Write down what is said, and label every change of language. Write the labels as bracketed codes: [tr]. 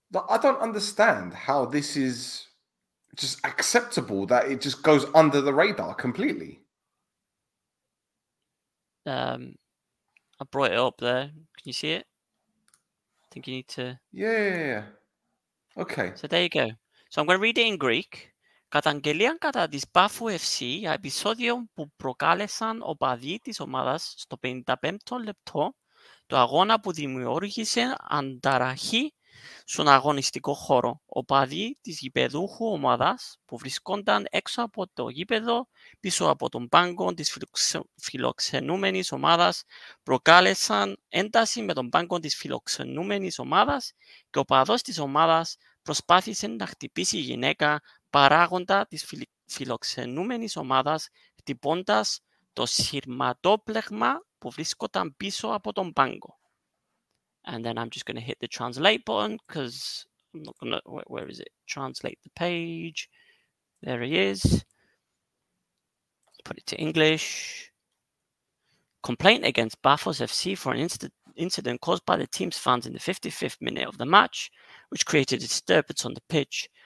[en] I don't understand how this is just acceptable, that it just goes under the radar completely. I brought it up there. Can you see it? I think you need to. Yeah. Okay. So there you go. So I'm going to read it in Greek. [el] καταγγελία κατά της Bafou FC για επεισόδιο που προκάλεσαν οπαδοί της ομάδας στο 55ο λεπτό του αγώνα που δημιούργησε ανταραχή στον αγωνιστικό χώρο. Οπαδοί της γηπεδούχου ομάδας που βρισκόνταν έξω από το γήπεδο πίσω από τον πάγκο της φιλοξενούμενης ομάδας προκάλεσαν ένταση με τον πάγκο της φιλοξενούμενης ομάδας και ο οπαδός της ομάδας προσπάθησε να χτυπήσει γυναίκα παράγοντα της φιλοξενούμενης ομάδας χτυπώντας το σειρματόπλεγμα που βρίσκονταν πίσω από τον πάγκο. [en] And then I'm just going to hit the translate button because I'm not going to... Where is it? Translate the page. There he is. Put it to English. Complaint against Bafou FC for an incident caused by the team's fans in the 55th minute of the match, which created a disturbance on the pitch.